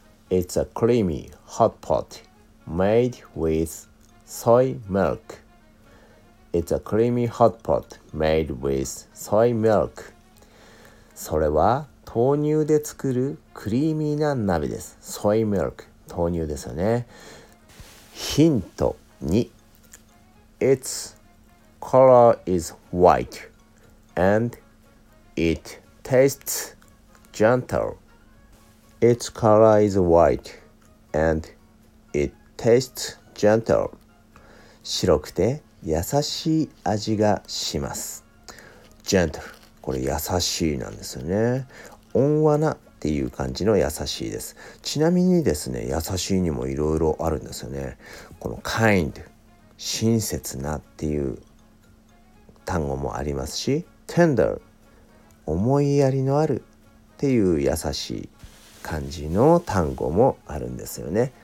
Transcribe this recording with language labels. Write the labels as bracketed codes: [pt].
[en] It's a creamy hot pot made with soy milkIt's a creamy hot pot made with soy milk. [ja] それは豆乳で作るクリーミーな鍋です。 Soy milk、豆乳ですよね。ヒント2。 [en] Its color is white and it tastes gentle. Its color is white and it tastes gentle. [ja] 白くて優しい味がします。 Gentle、 これ優しいなんですよね。温和なっていう感じの優しいです。ちなみにですね、優しいにもいろいろあるんですよね。この Kind、 親切なっていう単語もありますし、 Tender、 思いやりのあるっていう優しい感じの単語もあるんですよね。